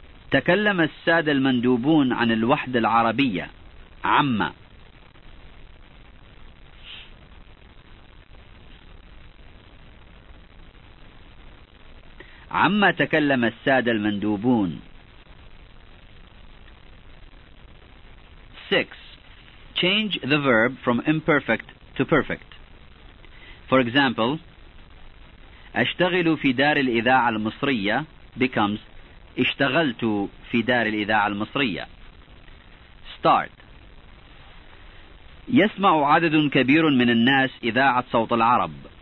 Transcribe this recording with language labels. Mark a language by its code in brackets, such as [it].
[ar] تكلم السادة المندوبون عن الوحدة العربية عما عما تكلم السادة المندوبون 6. [en] Change the verb from imperfect to perfect. For example, [ar] أشتغل في دار الإذاعة المصرية [en] becomes [ar] اشتغلت في دار الإذاعة المصرية. [en] Start. [ar] يسمع عدد كبير من الناس إذاعة صوت العرب.